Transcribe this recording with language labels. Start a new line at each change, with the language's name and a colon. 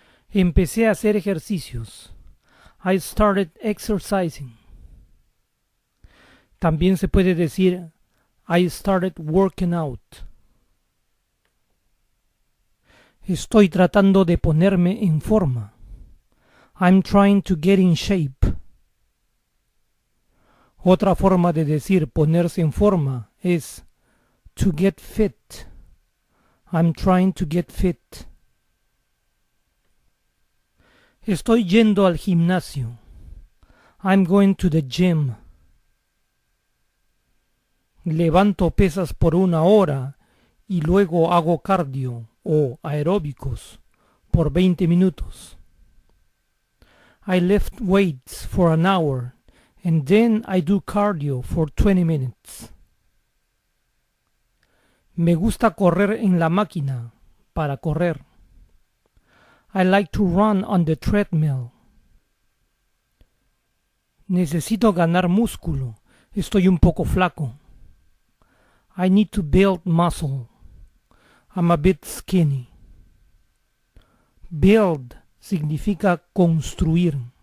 Spanish: Empecé a hacer ejercicios.
English: I started exercising.
Spanish: También se puede decir
English: I started working out.
Spanish: Estoy tratando de ponerme en forma.
English: I'm trying to get in shape.
Spanish: Otra forma de decir ponerse en forma es
English: to get fit. I'm trying to get fit.
Spanish: Estoy yendo al gimnasio.
English: I'm going to the gym.
Spanish: Levanto pesas por una hora y luego hago cardio o aeróbicos por 20 minutos.
English: I lift weights for an hour. And then I do cardio for 20 minutes.
Spanish: Me gusta correr en la máquina para correr.
English: I like to run on the treadmill.
Spanish: Necesito ganar músculo. Estoy un poco flaco.
English: I need to build muscle. I'm a bit skinny. Build
Spanish: significa construir.